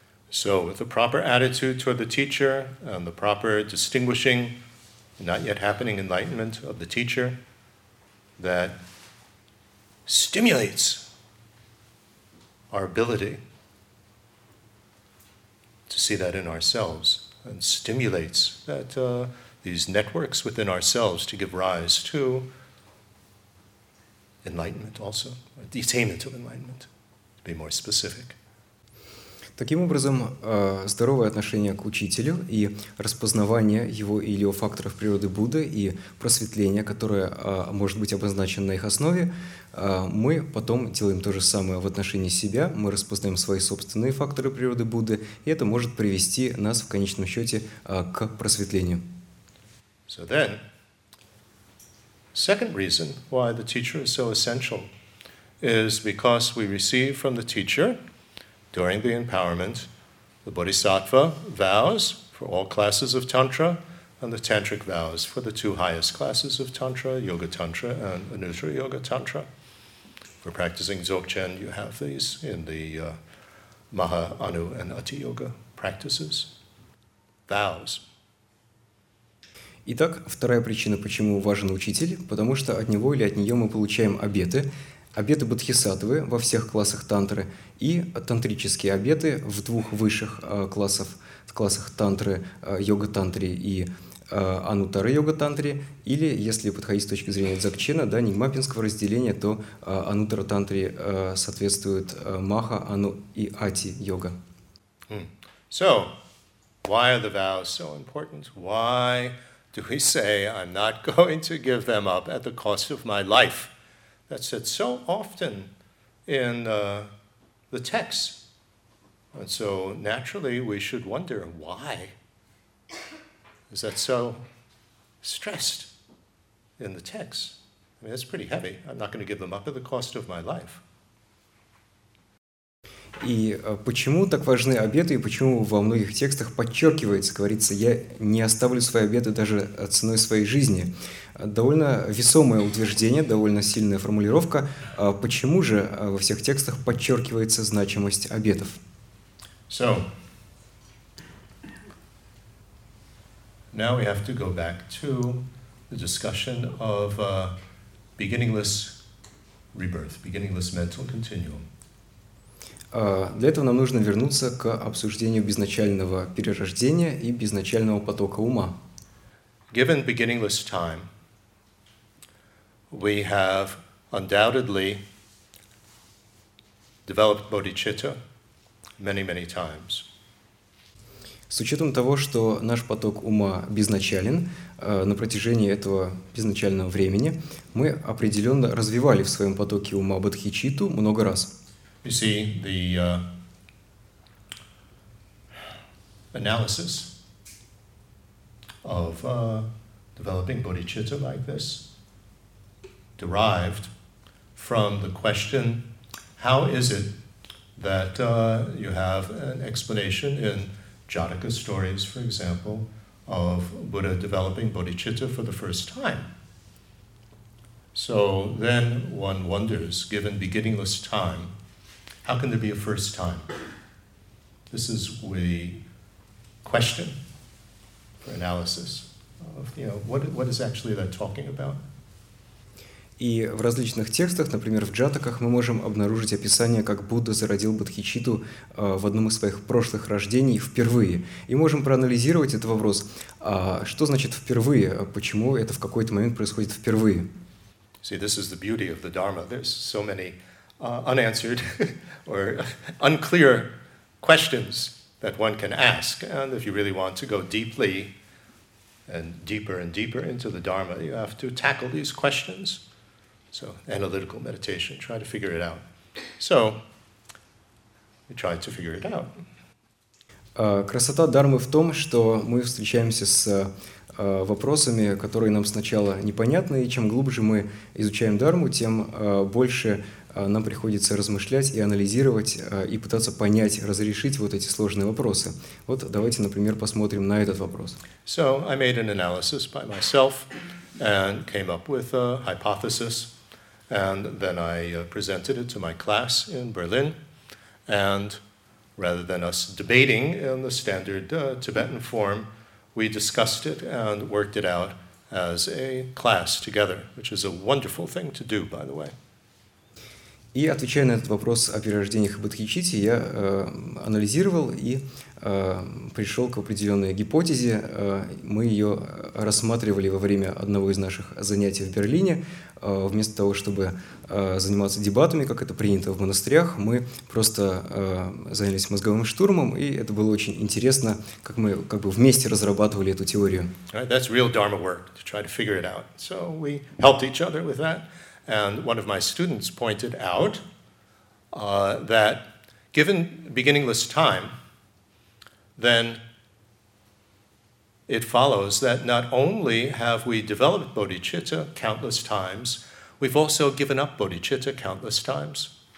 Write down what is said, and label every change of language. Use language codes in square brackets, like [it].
[en] So with the proper attitude toward the teacher and the proper distinguishing, not yet happening enlightenment of the teacher, that stimulates our ability to see that in ourselves and stimulates that these networks within ourselves to give rise to enlightenment also, or the attainment of enlightenment, to be more specific. [ru] Таким образом, здоровое отношение к учителю и распознавание его или его факторов природы Будды и просветление, которое может быть обозначено на их основе, мы потом делаем то же самое в отношении себя, мы распознаем свои собственные факторы природы Будды, и это может привести нас в конечном счете к просветлению. [en] So then, second reason why the teacher is so essential is because we receive from the teacher during the empowerment, the bodhisattva vows for all classes of tantra and the tantric vows for the two highest classes of tantra, yoga tantra and anuttara yoga tantra. For practicing dzogchen, you have these in the maha, anu and ati yoga practices. Vows. [ru] Итак, вторая причина, почему важен учитель, потому что от него или от нее мы получаем обеты, обеты бодхисаттвы во всех классах тантры и тантрические обеты в двух высших классах тантры, йога-тантри и анутара-йога-тантри, или, если подходить с точки зрения дзогчена, да, нигмапинского разделения, то анутара-тантри соответствует маха, ану и ати-йога. [en] So, why are the vows so important? Why do we say I'm not going to give them up at the cost of my life? That's said so often in the texts. And so naturally we should wonder, why is that so stressed in the texts? I mean, that's pretty heavy. I'm not going to give them up at the cost of my life. [ru] И почему так важны обеты, и почему во многих текстах подчеркивается, говорится, я не оставлю свои обеты даже ценой своей жизни? Довольно весомое утверждение, довольно сильная формулировка. Почему же во всех текстах подчеркивается значимость обетов? [en] So, now we have to go back to the discussion of beginningless rebirth, beginningless mental continuum. [ru] Для этого нам нужно вернуться к обсуждению безначального перерождения и безначального потока ума. [en] Given beginningless time, we have undoubtedly developed bodhicitta many, many times. [ru] С учетом того, что наш поток ума безначален, на протяжении этого безначального времени мы определенно развивали в своем потоке ума бодхичитту много раз. [en] You see, the analysis of developing bodhicitta like this derived from the question, how is it that you have an explanation in Jataka stories, for example, of Buddha developing bodhicitta for the first time? So then one wonders, given beginningless time, how can there be a first time? This is the question for analysis of, you know, what is actually that talking about? [ru] И в различных текстах, например, в джатаках, мы можем обнаружить описание, как Будда зародил бодхичитту в одном из своих прошлых рождений впервые. И можем проанализировать этот вопрос. А что значит впервые? Почему это в какой-то момент происходит впервые? [en] See, this is the beauty of the Dharma. There's so many unanswered or unclear questions that one can ask. And if you really want to go deeply and deeper into the Dharma, you have to tackle these questions. So analytical meditation, try to figure it out. So we tried to figure it out. [ru] Красота Дармы в том, что мы встречаемся с вопросами, которые нам сначала непонятны, и чем глубже мы изучаем Дарму, тем больше нам приходится размышлять и анализировать и пытаться понять, разрешить вот эти сложные вопросы. Вот давайте, например, посмотрим на этот вопрос. [en] So I made an analysis by myself and came up with a hypothesis. And then I presented it to my class in Berlin, and rather than us debating in the standard Tibetan form, we discussed it and worked it out as a class together, which is a wonderful thing to do, by the way. [ru] И отвечая на этот вопрос о перерождениях и бодхичитти, я анализировал и пришел к определенной гипотезе. Мы ее рассматривали во время одного из наших занятий в Берлине. Вместо того, чтобы заниматься дебатами, как это принято в монастырях, мы просто занялись мозговым штурмом, и это было очень интересно, как мы как бы вместе разрабатывали эту теорию. [en] That's real dharma work, to try to figure it out. So we helped each other with that. And one of my students pointed out that given beginningless time, then it follows that not only have we developed bodhicitta countless times, we've also given up bodhicitta countless times.